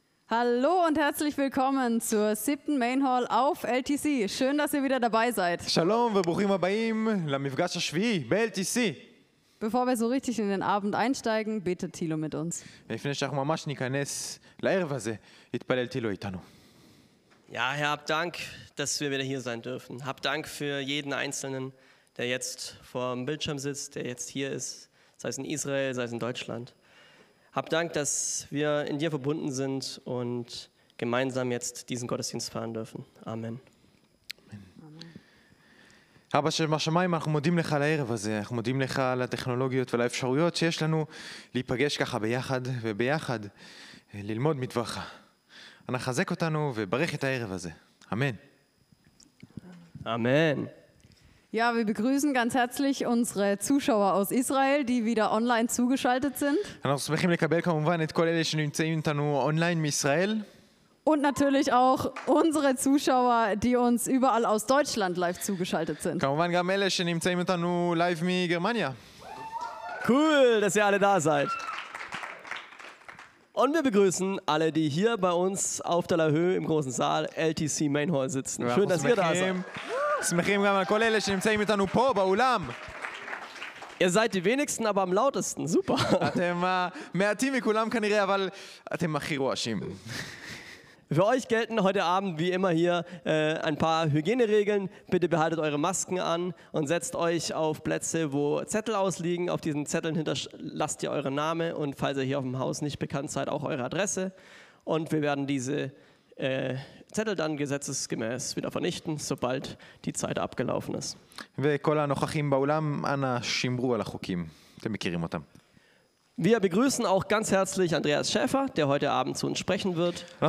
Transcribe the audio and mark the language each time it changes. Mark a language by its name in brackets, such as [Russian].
[German] Hallo und herzlich willkommen zur siebten Main Hall auf LTC. Schön, dass ihr wieder dabei seid. [Hebrew] Shalom וברוכים הבאים למפגש השביעי ב-LTC. [German] Bevor wir so richtig in den Abend einsteigen, betet Thilo mit uns. [Hebrew] לפני שאנחנו ממש ניכנס לערב הזה, יתפלל תילו איתנו. [German] Ja, Herr, hab Dank, dass wir wieder hier sein dürfen. Hab Dank für jeden Einzelnen, der jetzt vor dem Bildschirm sitzt, der jetzt hier ist, sei es in Israel, sei es in Deutschland. Hab Dank, dass wir in dir verbunden sind und gemeinsam jetzt diesen Gottesdienst feiern dürfen. Amen. [Hebrew] אבא שבשמיים, אנחנו מודים לך על הערב הזה, אנחנו מודים לך על הטכנולוגיות ולאפשרויות שיש לנו להיפגש ככה ביחד וביחד ללמוד מדברך. אנא חזק אותנו וברך את הערב הזה. אמן. אמן. [German] Ja, wir begrüßen ganz herzlich unsere Zuschauer aus Israel, die wieder online zugeschaltet sind. [Hebrew] אנחנו שמחים לקבל כמובן את כל אלה שנמצאים איתנו online מישראל. [German] Und natürlich auch unsere Zuschauer, die uns überall aus Deutschland live zugeschaltet sind. [Hebrew] כמובן גם אלה שנמצאים איתנו live מגרמניה. [German] Cool, dass ihr alle da seid. Und wir begrüßen alle, die hier bei uns auf der Lahö im großen Saal LTC Main Hall sitzen. Schön, dass ihr da seid. [Hebrew] שמחים גם על כל אלה שנמצאים איתנו פה באולם. [German] Ihr seid die wenigsten, aber am lautesten. Super. [Hebrew] אתם מעטים מכולם כנראה, אבל אתם הכי רועשים. [German] Für euch gelten heute Abend wie immer hier ein paar Hygieneregeln. Bitte behaltet eure Masken an und setzt euch auf Plätze, wo Zettel ausliegen. Auf diesen Zetteln hinterlasst ihr euren Namen und falls ihr hier auf dem Haus nicht bekannt seid, auch eure Adresse. Und wir werden diese Zettel dann gesetzesgemäß wieder vernichten, sobald die Zeit abgelaufen ist. [Hebrew] וכל הנוכחים באולם, אנא שימרו על החוקים. אתם מכירים אותם. [German] Wir begrüßen auch ganz herzlich Andreas Schäfer, der heute Abend zu uns sprechen wird.